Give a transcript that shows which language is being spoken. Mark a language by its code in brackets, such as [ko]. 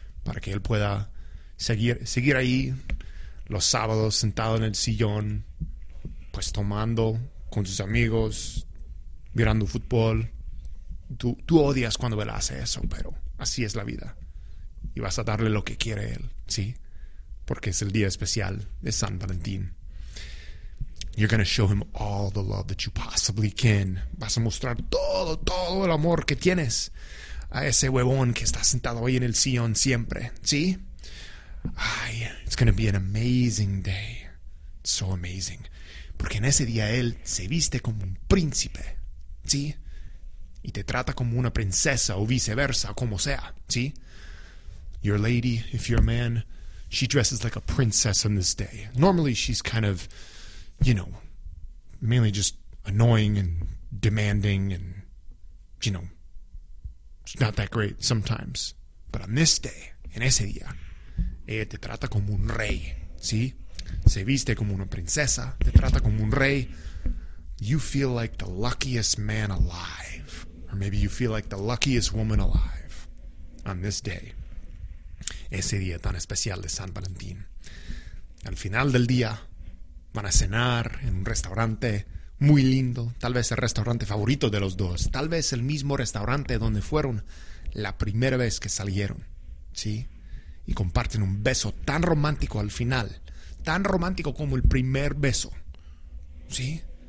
[es] Para que él pueda seguir ahí los sábados sentado en el sillón, pues tomando con sus amigos, mirando fútbol. Tú odias cuando él hace eso, pero así es la vida. Y vas a darle lo que quiere él, ¿sí? Porque es el día especial de San Valentín. [en] You're going to show him all the love that you possibly can. [es] Vas a mostrar todo el amor que tienes a ese huevón que está sentado ahí en el sillón siempre, ¿sí? [en] Ay, it's going to be an amazing day. So amazing. [es] Porque en ese día él se viste como un príncipe, ¿sí? Y te trata como una princesa o viceversa, como sea, ¿sí? [en] Your lady, if you're a man, she dresses like a princess on this day. Normally she's kind of, you know, mainly just annoying and demanding and, you know, not that great sometimes. But on this day, [es] en ese día, ella te trata como un rey, ¿sí? Se viste como una princesa, te trata como un rey. [en] You feel like the luckiest man alive. Or maybe you feel like the luckiest woman alive on this day. [es] Ese día tan especial de San Valentín. Al final del día, van a cenar en un restaurante muy lindo, tal vez el restaurante favorito de los dos, tal vez el mismo restaurante donde fueron la primera vez que salieron, ¿sí? Y comparten un beso tan romántico al final, tan romántico como el primer beso, ¿sí?